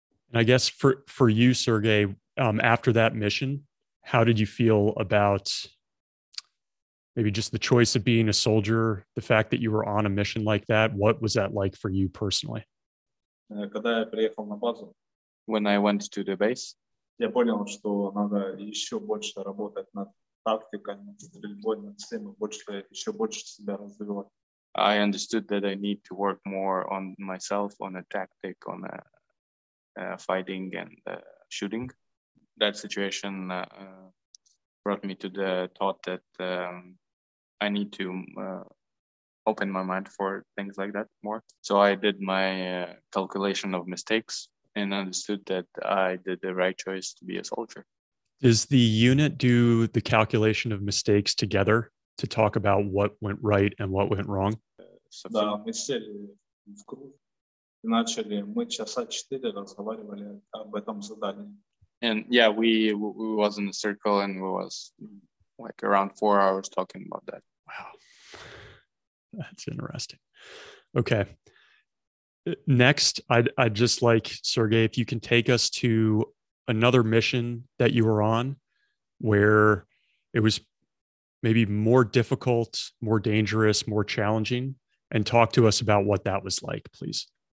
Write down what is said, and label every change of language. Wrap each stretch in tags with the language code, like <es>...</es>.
<en>And I guess for you, Sergey, after that mission, how did you feel about maybe just the choice of being a soldier, the fact that you were on a mission like that? What was that like for you personally?</en> <ru>Когда я приехал на базу,</ru> <en>when I went to the base,</en> <ru>я понял, что надо еще больше работать над тактикой, над стрельбой, над всем, еще больше себя развивать.</ru> <en>I understood that I need to work more on myself, on a tactic, on a fighting and shooting. That situation brought me to the thought that I need to open my mind for things like that more. So I did my calculation of mistakes and understood that I did the right choice to be a soldier. Does the unit do the calculation of mistakes together to talk about what went right and what went wrong?</en> <ru>Да, мы сели в круг и начали, мы часа четыре разговаривали об этом задании.</ru> <en>And yeah, we was in a circle and we was like around 4 hours talking about that. Wow, that's interesting. Okay, next, I'd just like, Sergey, if you can take us to another mission that you were on where it was maybe more difficult, more dangerous, more challenging, and talk to us about what that was like, please.</en>